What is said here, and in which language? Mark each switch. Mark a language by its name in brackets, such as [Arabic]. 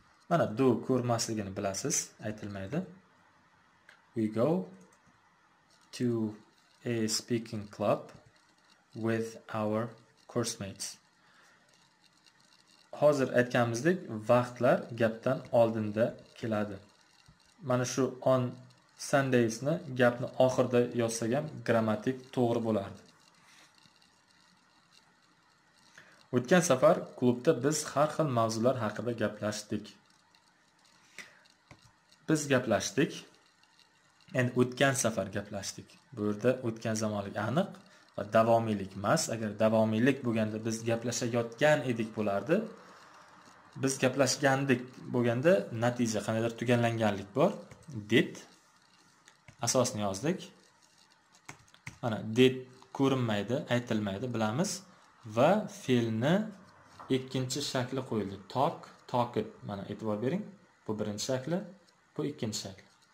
[Uzbek] Mana do ko'rmasligini bilasiz, aytilmaydi. [English] We go to a speaking club with our course mates. [Uzbek] Hozir aytganimizdek vaqtlar gapdan oldinda keladi. Mana shu [English] on Sundays'ni [Uzbek] gapni oxirida yozsak ham grammatik to'g'ri bo'lardi. O'tgan safar klubda biz har xil mavzular haqida gaplashdik. Biz gaplashdik. Endi o'tgan safar gaplashdik. Bu yerda o'tgan zamonlik aniq va davomiylik emas. Agar davomiylik bo'lganda biz gaplashayotgan edik bo'lardi. Biz gaplashgandik bo'lganda natija qandaydir tugallanganlik bor. Did asosni yozdik. Mana did ko'rinmaydi, aytilmaydi, bilamiz va fe'lni ikkinchi shakli qo'yildi. [English] Talk, talked. [Uzbek] Mana e'tibor bering. Bu birinchi shakli, bu ikkinchi shakli.